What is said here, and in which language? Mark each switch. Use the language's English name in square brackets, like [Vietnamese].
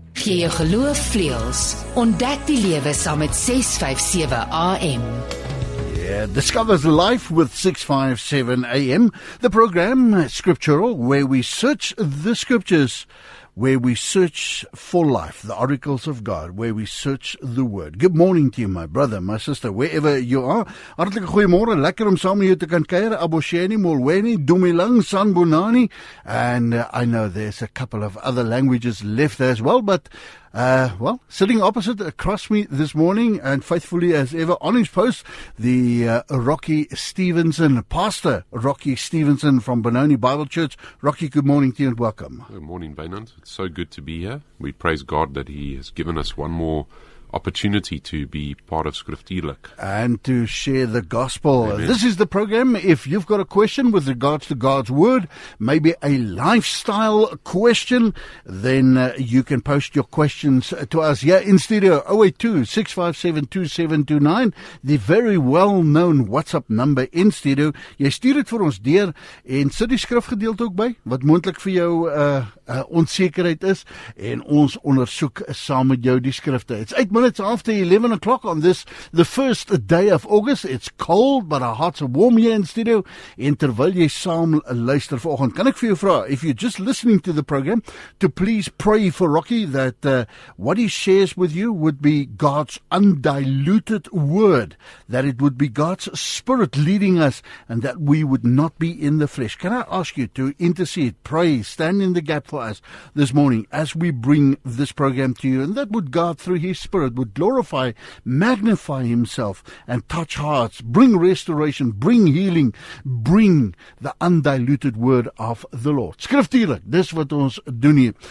[Afrikaans] Gee jou geloof vleuels, ontdek die lewe saam met 657 AM. [English] Yeah, discovers life with 657 AM, the program Scriptural, where we search the scriptures, where we search for life, the oracles of God, where we search the word. Good morning to you, my brother, my sister, wherever you are. [Afrikaans] Hartelijke goeiemorgen, lekker om saam met jou te kan kuier. [Zulu] Abosheni, Molweni, Dumilang, Sanbonani. [English] And I know there's a couple of other languages left there as well, but well, sitting opposite across me this morning and faithfully as ever on his post, the Rocky Stevenson, Pastor Rocky Stevenson from Benoni Bible Church. Rocky, good morning to you and welcome. Good morning, Benant. It's so good to be here. We praise God that he has given us one more opportunity to be part of Skriftuurlik and to share the gospel. Amen. This is the program. If you've got a question with regards to God's word, maybe a lifestyle question, then you can post your questions to us here in studio, 082-657-2729, the very well-known WhatsApp number in studio. [Afrikaans] Jy stuur het vir ons deur en sit die skrifgedeelte ook by, wat moontlik vir jou onsekerheid is, en ons ondersoek saam met jou die skrifte. [English] It's 8 minutes after 11 o'clock on this, the first day of August. It's cold, but our hearts are warm here in studio. [Afrikaans] En terwyl jy saam luister vanoggend, kan ek vir jou vra, [English] if you're just listening to the program, to please pray for Rocky that what he shares with you would be God's undiluted word, that it would be God's spirit leading us, and that we would not be in the flesh. Can I ask you to intercede, pray, stand in the gap for us this morning as we bring this program to you, and that would God through his spirit would glorify, magnify himself and touch hearts, bring restoration, bring healing, bring the undiluted word of the Lord. [Afrikaans] Skriftuurlik, dis wat ons doen hier.